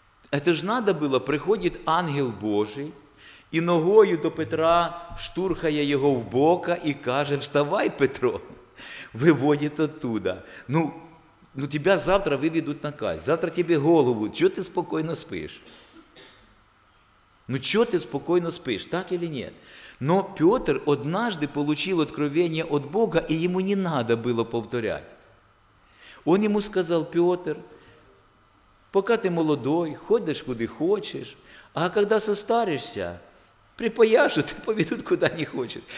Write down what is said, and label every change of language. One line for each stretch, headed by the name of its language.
Russian: это же надо было, приходит ангел Божий,
Ukrainian: и ногою до Петра штурхає його в бока і каже, вставай, Петро, виводять оттуда. Ну, тебе завтра виведуть на казнь, завтра тебе голову, чого ти спокійно спиш? Ну, чого ти спокійно спиш,
Russian: так или нет? Но Петр однажды получил откровение от Бога,
Ukrainian: і йому не надо було повторяти.
Russian: Он йому сказав, Петр, поки ти молодой,
Ukrainian: ходиш куди хочеш, а коли
Russian: состаришся, припояшут и поведут, куда не хочет.